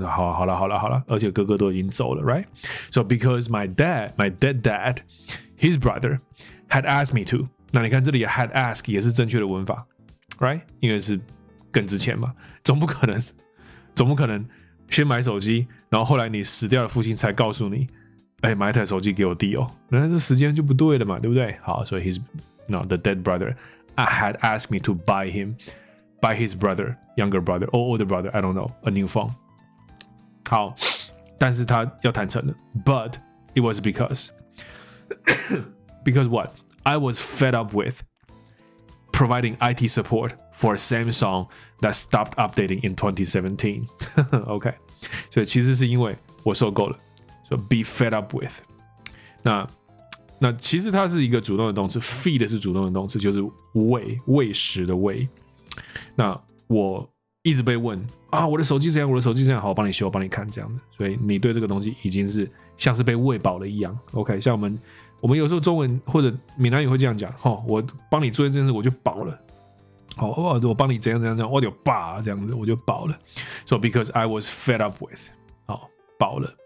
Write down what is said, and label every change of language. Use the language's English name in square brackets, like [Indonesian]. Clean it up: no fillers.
[Chinese] 好，好了，好了，好了。而且哥哥都已经走了 ，right？ [English] So because my dead dad, his brother had asked me to. [Chinese] 那你看这里 had asked 也是正确的文法 ，right？ 因为是更值钱嘛，总不可能先买手机，然后后来你死掉的父亲才告诉你，哎、欸，买一台手机给我弟哦，那这时间就不对了嘛，对不对？好，所以 [English] the dead brother had asked me to buy his brother, younger brother, or older brother, I don't know, a new phone. [Chinese] 好，但是他要坦诚了 [English] ，but it was because what I was fed up with providing IT support for Samsung that stopped updating in 2017. [Chinese] OK, 所以其实是因为我受够了。 [English] So be fed up with. [Chinese] 那其实它是一个主动的动词 ，feed 是主动的动词，就是喂食的喂。那我一直被问啊，我的手机怎样？好，我帮你修，我帮你看这样的。所以你对这个东西已经是像是被喂饱了一样。 OK， 像我们有时候中文或者闽南语会这样讲，哦，我帮你做这件事，我就饱了。哦，我帮你怎样，我就饱这样子，我就饱了。 [English] So because I was fed up with， [Chinese] 好，饱了。